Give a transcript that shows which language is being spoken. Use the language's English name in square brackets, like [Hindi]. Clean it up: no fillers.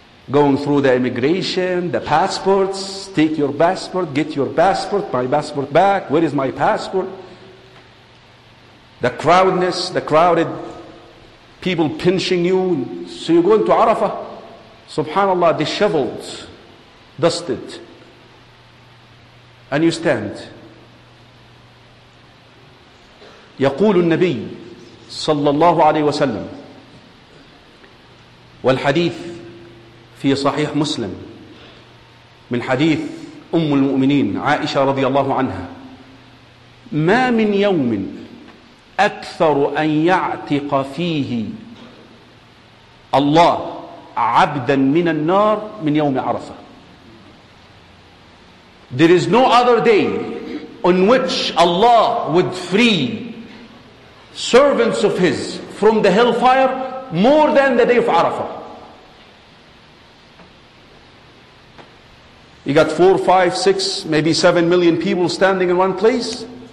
[English] Going through the immigration, the passports, take your passport, get your passport, my passport back, where is my passport? The crowded people pinching you. So you're going to Arafah, subhanAllah, disheveled, dusted, and you stand. [Arabic] يقول النبي صلى الله عليه وسلم والحديث في صحيح مسلم من حديث أم المؤمنين عائشة رضي الله عنها: ما من يوم أكثر أن يعتق فيه الله عبدا من النار من يوم عرفة. [English] There is no other day on which Allah would free servants of His from the hellfire more than the day of Arafah. You got 4, 5, 6, maybe 7 million people standing in one place.